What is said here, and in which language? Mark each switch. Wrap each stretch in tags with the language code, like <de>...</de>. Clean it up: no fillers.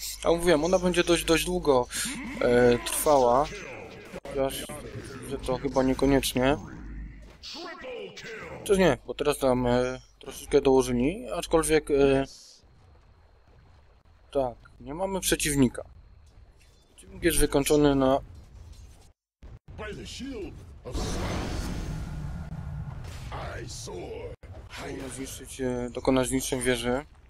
<pl>A mówiłem, ona będzie dość długo trwała. Chociaż, że to chyba niekoniecznie. Chociaż nie, bo teraz tam troszeczkę dołożyli. Aczkolwiek... tak, nie mamy przeciwnika. jest wykończony na...</pl> <en>By the shield of science. I soar.</en> <pl>Można zniszczyć, dokonać zniszczeń wieży.</pl>